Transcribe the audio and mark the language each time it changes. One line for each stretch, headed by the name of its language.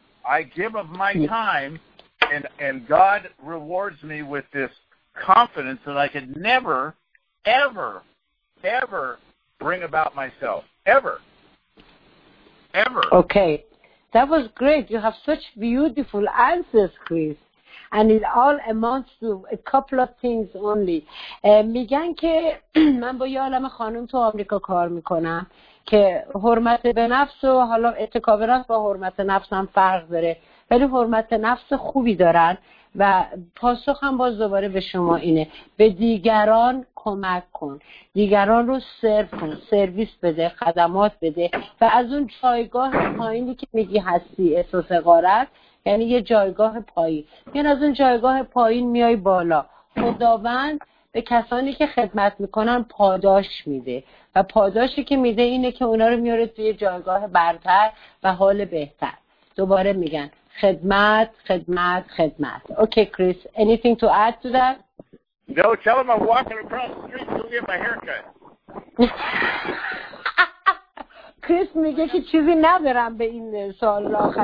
English: I give of my time, and God rewards me with this confidence that I could never, ever, ever bring about myself. Ever. Ever. Okay. That was great. You have such beautiful answers, Chris. And it all amounts to a couple of things only.
Persian: میگن که من با یه عالم خانم تو آمریکا کار میکنم که حرمت به نفس و حالا اعتکاف با حرمت نفس هم فرق داره. ولی حرمت نفس خوبی دارن و پاسخ هم باز دوباره به شما اینه. به دیگران کمک کن. دیگران رو سرو کن. سرویس بده. خدمات بده. و از اون جایگاه پایینی که میگی هستی احساس غارت، یعنی یه جایگاه پایین، یعنی از اون جایگاه پایین میای بالا. خداوند به کسانی که خدمت میکنن پاداش میده و پاداشی که میده اینه که اونا رو میاره توی جایگاه برتر و حال بهتر. دوباره میگن خدمت، خدمت، خدمت.
English: Okay Chris, anything to add to that? No, tell him I'm walking across the street to get my haircut.
Persian: کریس میگه که چیزی ندارم به این سوال آخر.